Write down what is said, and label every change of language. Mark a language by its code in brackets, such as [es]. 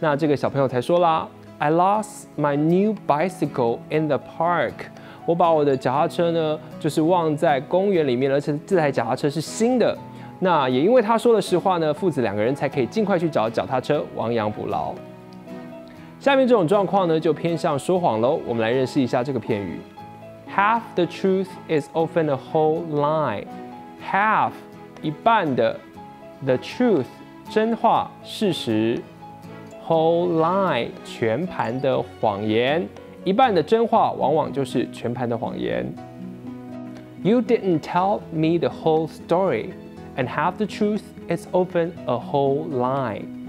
[zh] 那这个小朋友才说啦 ：“ [en] I lost my new bicycle in the park。” [zh] 我把我的脚踏车呢就是忘在公园里面，而且这台脚踏车是新的。那也因为他说的实话呢，父子两个人才可以尽快去找脚踏车，亡羊补牢。下面这种状况呢就偏向说谎咯。我们来认识一下这个片语。 [en] Half the truth is often a whole lie。 [zh] Half 一半的， The truth 真话事实， Whole lie 全盘的谎言。一半的真话往往就是全盘的谎言。 [en] You didn't tell me the whole story, and half the truth is often a whole lie.